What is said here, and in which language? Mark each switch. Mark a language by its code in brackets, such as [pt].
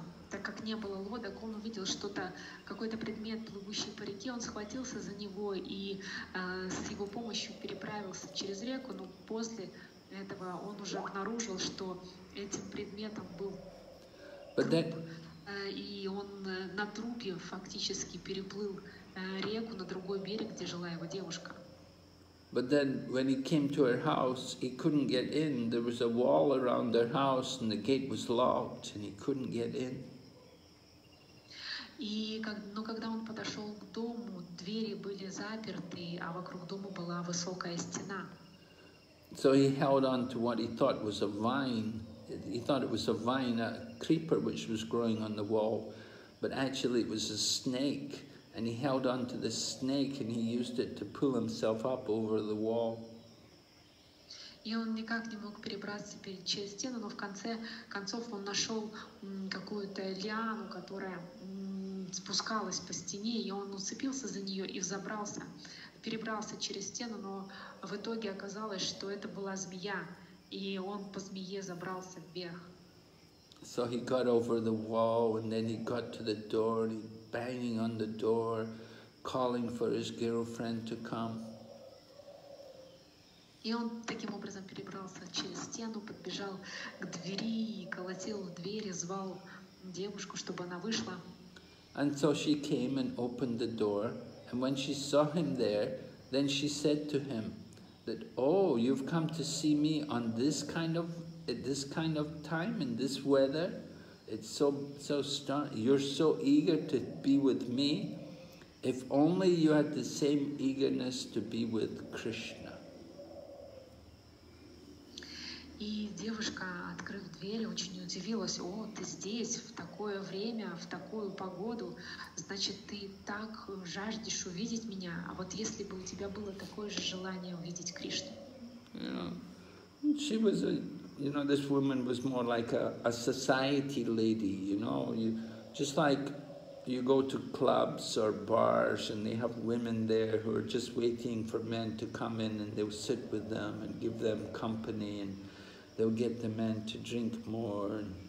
[ru] Так как не было лодок, он увидел что-то, какой-то предмет, плывущий по реке, он схватился за него и с его помощью переправился через реку, но после этого он уже обнаружил, что этим предметом был труп, и он на трупе фактически переплыл реку на другой берег, где жила его девушка. [en] But then when he came to her house, he couldn't get in. There was a wall around their house and the gate was locked and he couldn't get in. [ru] Но когда он подошел к дому, двери были заперты, а вокруг дома была высокая стена. [en] So he held on to what he thought was a vine. He thought it was a vine, a creeper which was growing on the wall. But actually it was a snake, And he held on to the snake and he used it to pull himself up over the wall. [ru] И он никак не мог перебраться через стену, но в конце концов он нашел какую-то лиану, которая спускалась по стене, и он уцепился за нее и взобрался, перебрался через стену, но в итоге оказалось, что это была змея, и он по змее забрался вверх. [en] So he got over the wall, and then he got to the door, and he banging on the door, calling for his girlfriend to come. [ru] И он таким образом перебрался через стену, подбежал к двери и колотил в дверь, звал девушку, чтобы она вышла. [en] And so she came and opened the door, and when she saw him there, then she said to him that, oh, you've come to see me on this kind of time, in this weather, it's so strong, you're so eager to be with me, if only you had the same eagerness to be with Krishna. [ru] И девушка, открыв дверь, очень удивилась: «О, ты здесь, в такое время, в такую погоду, значит, ты так жаждешь увидеть меня, а вот если бы у тебя было такое же желание увидеть Кришну?» [en] She was a, you know, this woman was more like a society lady, you know, you, just like you go to clubs or bars and they have women there who are just waiting for men to come in and they'll sit with them and give them company and they'll get the men to drink more.